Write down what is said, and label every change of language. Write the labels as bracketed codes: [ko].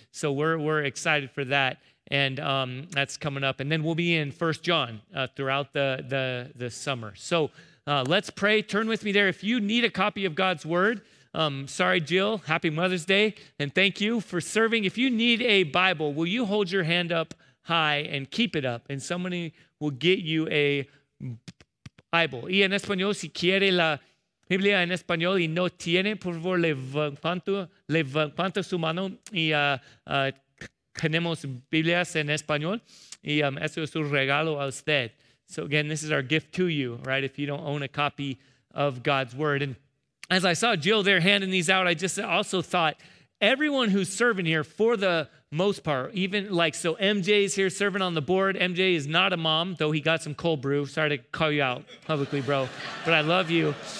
[en] So we're excited for that, and that's coming up. And then we'll be in 1 John throughout the summer. So let's pray. Turn with me there. If you need a copy of God's word, Sorry, Jill. Happy Mother's Day. And thank you for serving. If you need a Bible, will you hold your hand up high and keep it up? And somebody will get you a Bible. [es] Y en español, si quiere la Biblia en español y no tiene, por favor, levanta su mano y tenemos Biblias en español. Y eso es un regalo a usted. [en] So again, this is our gift to you, right? If you don't own a copy of God's word. And as I saw Jill there handing these out, I just also thought everyone who's serving here for the most part, even like, so MJ's here serving on the board. MJ is not a mom, though he got some cold brew. Sorry to call you out publicly, bro, but I love you.